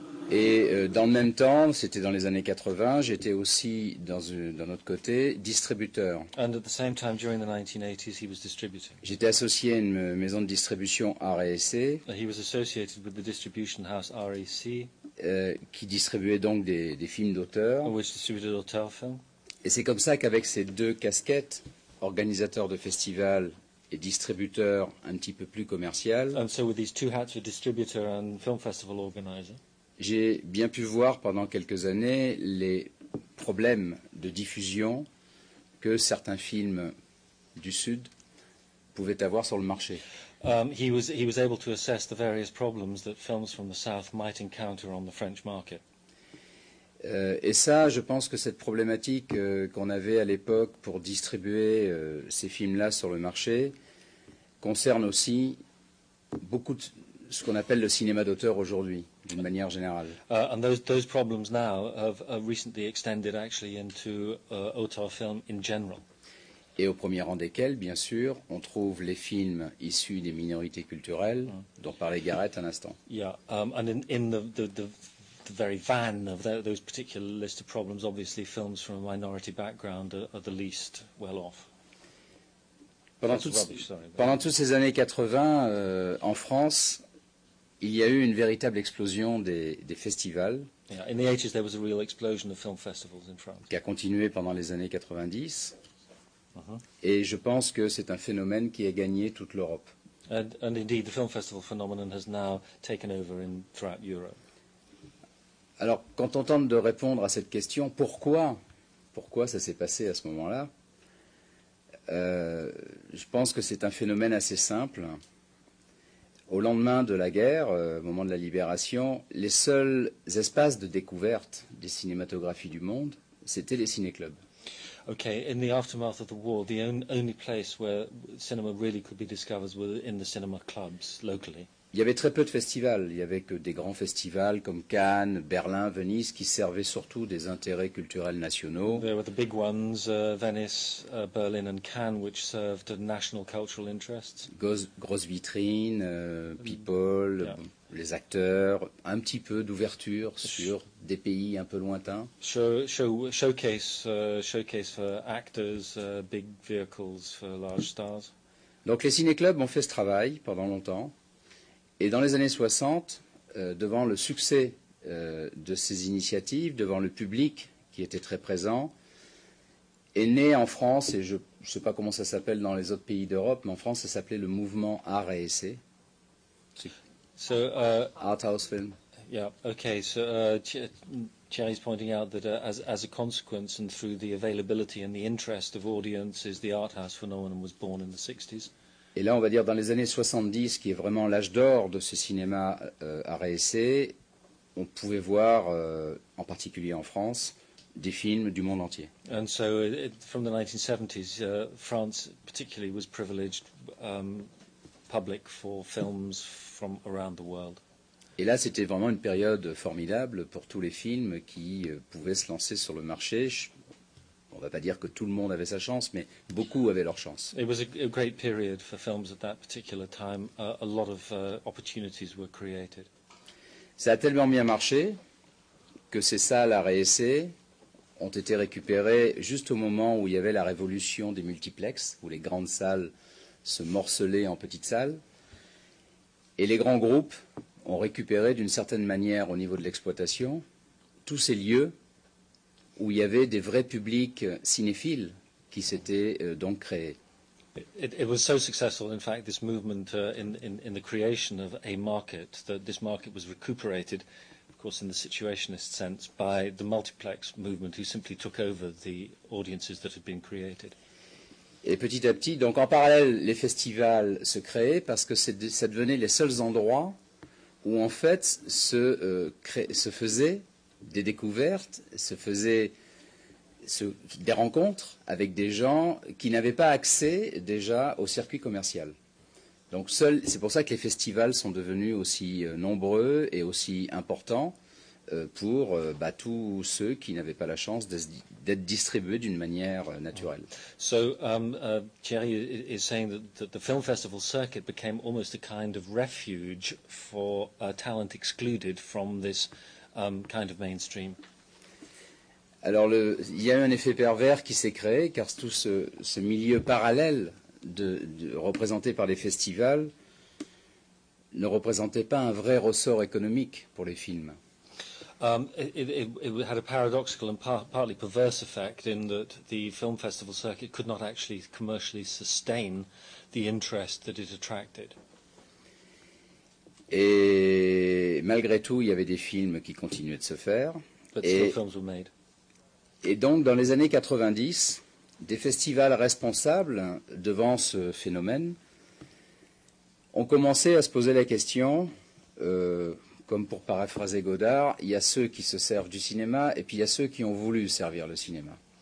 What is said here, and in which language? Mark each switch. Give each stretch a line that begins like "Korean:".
French: Et dans le même temps, c'était dans les années 80, j'étais aussi, d'un autre côté, distributeur.
English: And at the same time, during the 1980s, he was distributing.
French: J'étais associé à une maison de distribution RAEC.
English: He was associated with the distribution house RAEC.
French: Qui distribuait donc des films d'auteurs.
English: Which distributed auteur films.
French: Et c'est comme ça qu'avec ces deux casquettes, organisateur de festivals et distributeur un petit peu plus commercial.
English: And so with these two hats, a distributor and film festival organizer.
French: J'ai bien pu voir pendant quelques années les problèmes de diffusion que certains films du Sud pouvaient avoir sur le marché.
English: He was able to assess the various problems that films from the South might encounter on the French market.
French: Et ça, je pense que cette problématique qu'on avait à l'époque pour distribuer ces films-là sur le marché concerne aussi beaucoup de ce qu'on appelle le cinéma d'auteur aujourd'hui, d'une manière générale.
English: And those problems now have recently extended actually into auteur film in general.
French: Et au premier rang desquels, bien sûr, on trouve les films issus des minorités culturelles, dont parlait Gareth un instant.
English: Yeah, and in the very van of those particular list of problems, obviously films from a minority background are the least well off.
French: Pendant toutes ces années 80, en France, il y a eu une véritable explosion des festivals.
English: Yeah, in the 80s, there was a real explosion of film festivals in France.
French: Qui a continué pendant les années 90. Et je pense que c'est un phénomène qui a gagné toute l'Europe.
English: And indeed, the film festival phenomenon has now taken over throughout Europe.
French: Alors, quand on tente de répondre à cette question, pourquoi ça s'est passé à ce moment-là, je pense que c'est un phénomène assez simple. Au lendemain de la guerre, au moment de la libération, les seuls espaces de découverte des cinématographies du monde, c'était les ciné-clubs.
English: Okay, in the aftermath of the war, the only place where cinema really could be discovered was in the cinema clubs locally.
French: Il y avait très peu de festivals. Il y avait que des grands festivals comme Cannes, Berlin, Venise, qui servaient surtout des intérêts culturels nationaux.
English: There were the big ones, Venice, Berlin and Cannes, which served national cultural interests.
French: Grosses vitrines, people, yeah. Les acteurs, un petit peu d'ouverture sur des pays un peu lointains.
English: Showcase for actors, big vehicles for large stars.
French: Donc les ciné-clubs ont fait ce travail pendant longtemps. Et dans les années 60, devant le succès de ces initiatives, devant le public qui était très présent, est né en France, et je ne sais pas comment ça s'appelle dans les autres pays d'Europe, mais en France ça s'appelait le mouvement Art et Essai.
English: So, Art House Film. Yeah, okay, so Thierry's pointing out that as a consequence and through the availability and the interest of audiences, the Art House phenomenon was born in the 60s.
French: Et là, on va dire, dans les années 70, qui est vraiment l'âge d'or de ce cinéma RAEC, on pouvait voir, en particulier en France, des films du monde entier.
English: And so, from the 1970s, France particularly was privileged public for films from around the world.
French: Et là, c'était vraiment une période formidable pour tous les films qui pouvaient se lancer sur le marché. On ne va pas dire que tout le monde avait sa chance, mais beaucoup avaient leur chance.
English: It was a great period for films at that particular time. A lot of opportunities were created.
French: Ça a tellement bien marché que ces salles à RAEC ont été récupérées juste au moment où il y avait la révolution des multiplexes, où les grandes salles se morcelaient en petites salles. Et les grands groupes ont récupéré d'une certaine manière au niveau de l'exploitation tous ces lieux où il y avait des vrais publics cinéphiles qui s'étaient donc créés.
English: It was so successful, in fact, this movement in the creation of a market, that this market was recuperated, of course, in the situationist sense, by the multiplex movement, who simply took over the audiences that had been created.
French: Et petit à petit, donc en parallèle, les festivals se créaient parce que ça devenait les seuls endroits où en fait se faisaient des découvertes, des rencontres avec des gens qui n'avaient pas accès déjà au circuit commercial. Donc c'est pour ça que les festivals sont devenus aussi nombreux et aussi importants pour tous ceux qui n'avaient pas la chance d'être distribués d'une manière naturelle.
English: So Thierry is saying that the film festival circuit became almost a kind of refuge for a talent excluded from this kind of mainstream.
French: Alors, il y a eu un effet pervers qui s'est créé, car tout ce milieu parallèle représenté par les festivals ne représentait pas un vrai ressort économique pour les films.
English: It had a paradoxical and partly perverse effect in that the film festival circuit could not actually commercially sustain the interest that it attracted.
French: Et malgré tout, il y avait des films qui continuaient de se faire. Et donc, dans les années 90, des festivals responsables devant ce phénomène ont commencé à se poser la question, comme pour paraphraser Godard, il y a ceux qui se servent du cinéma et puis il y a ceux qui ont voulu servir le cinéma.